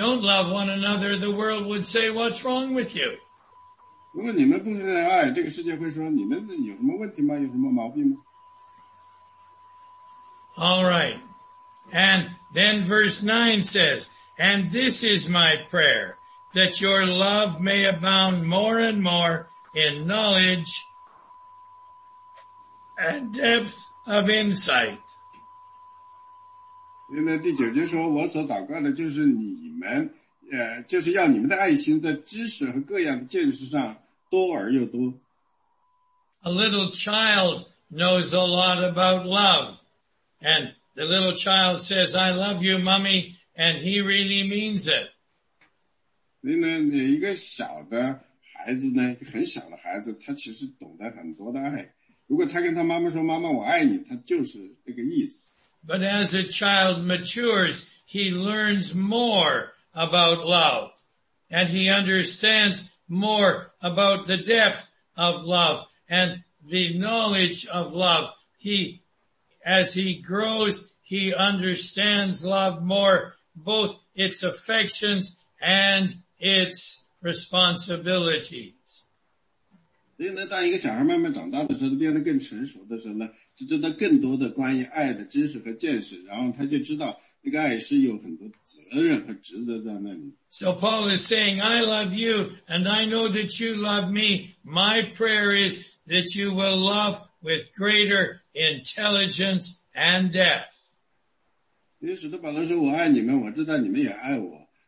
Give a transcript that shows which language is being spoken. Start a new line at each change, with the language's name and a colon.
English: if you don't love one another, the world would say, what's wrong with you?
Chinese: 如果你们不相爱，这个世界会说，你们有什么问题吗？有什么毛病吗？
English: All right. And then verse 9 says, and this is my prayer, that your love may abound more and more in knowledge and depth of insight.
Chinese: 因为第九节说，我所祷告的就是你们，就是要你们的爱心在知识和各样的见识上多而又多。
English: A little child knows a lot about love. And the little child says, I love you, mommy, and he really means it.
Chinese: 那一个小的孩子呢，很小的孩子，他其实懂得很多的爱。如果他跟他妈妈说：“妈妈，我爱你。”他就是这个意思。
English: But as a child matures, he learns more about love. And he understands more about the depth of love and the knowledge of love. As he grows, he understands love more, both its affections and its responsibilities.
Chinese: 所以呢，当一个小孩慢慢长大的时候，变得更成熟的时候呢，就知道更多的关于爱的知识和见识，然后他就知道那个爱是有很多责任和职责在那里。
English: So Paul is saying, I love you, and I know that you love me. My prayer is that you will love with greater intelligence and depth.
Chinese: 因为使徒保罗说，我爱你们，我知道你们也爱我。